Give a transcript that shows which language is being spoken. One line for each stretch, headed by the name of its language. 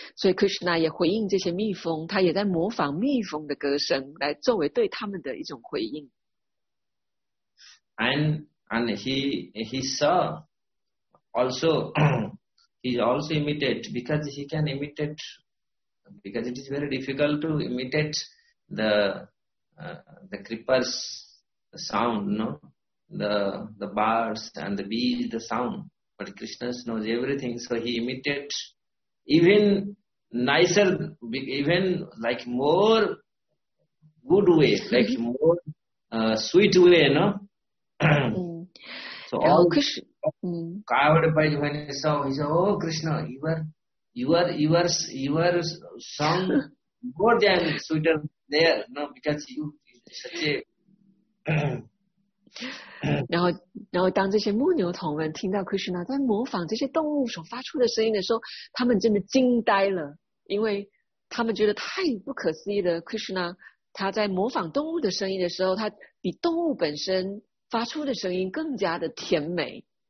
Chinese: 所以 Krishna 也回应这些蜜蜂，他也在模仿蜜蜂的歌声，来作为对他们的一种回应。
English: And he saw also, he also imitated, because he can imitate, because it is very difficult to imitate the creepers sound, no? The birds and the bees, the sound, but Krishna knows everything, so he imitated even nicer, even like more good way, like more sweet way, no? So all Krishna covered by when he saw, he said, oh Krishna, your song more than sweeter there, no? Because you such a
Chinese: 然后当这些牧牛童们听到 Krishna 在模仿这些动物所发出的声音的时候，他们真的惊呆了，因为他们觉得太不可思议了。 Krishna 他在模仿动物的声音的时候，他比动物本身发出的声音更加的甜美。